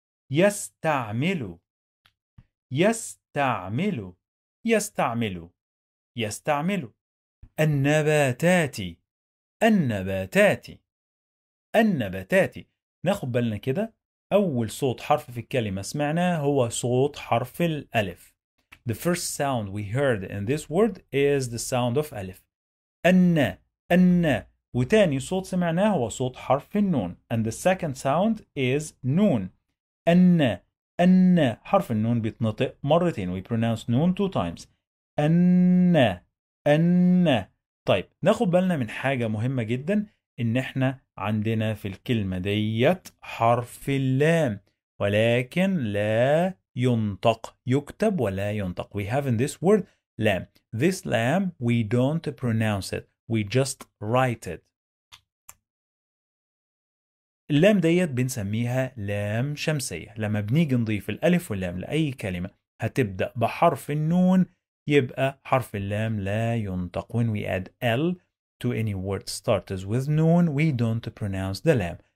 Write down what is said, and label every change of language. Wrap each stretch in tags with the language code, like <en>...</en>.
<ar>يستعمل يستعمل يستعمل يستعمل النباتات النباتات النباتات. ناخد بالنا كده، أول صوت حرف في الكلمة سمعناه هو صوت حرف الألف.</ar> <en>The first sound we heard in this word is the sound of ألف.</en> <ar>أن أن. وتاني صوت سمعناه هو صوت حرف النون.</ar> <en>And the second sound is نون.</en> <ar>أن أن. حرف النون بيتنطق مرتين.</ar> <en>We pronounce نون two times.</en> <ar>أن أن. طيب ناخد بالنا من حاجة مهمة جدا، إن إحنا عندنا في الكلمة ديت حرف اللام ولكن لا ينطق، يكتب ولا ينطق.</ar> <en>We have in this word lam. This lam we don't pronounce it. We just write it.</en> <ar>اللام ديت بنسميها لام شمسية. لما بنيجي نضيف الألف واللام لأي كلمة هتبدأ بحرف النون يبقى حرف اللام لا ينطق.</ar> <en>When we add L to any word starts with noon, we don't pronounce the lam.</en>